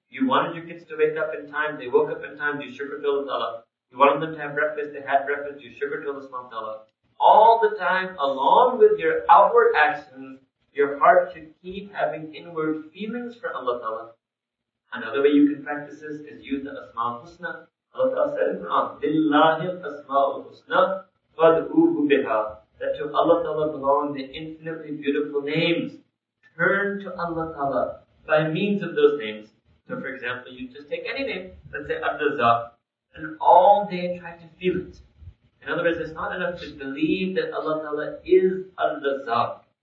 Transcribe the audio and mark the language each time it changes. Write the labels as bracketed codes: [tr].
[en] You wanted your kids to wake up in time, they woke up in time, do shukr to Allah Ta'ala. You wanted them to have breakfast, they had breakfast, do shukr to Allah subhanahu wa ta'ala. All the time, along with your outward actions, your heart should keep having inward feelings for Allah Ta'ala. Another way you can practice this is use the Asma'ul Husna. Allah Ta'ala said in Quran, [ar] لِلَّهِ الْأَسْمَاءُ الْحُسْنَى فَادْعُوهُ بِهَا. [en] That to Allah Ta'ala belong the infinitely beautiful names. Turn to Allah Ta'ala by means of those names. So for example, you just take any name, let's say Abdu'l-Zaq, and all day try to feel it. In other words, it's not enough to believe that Allah Ta'ala is Abdu'l-Zaq.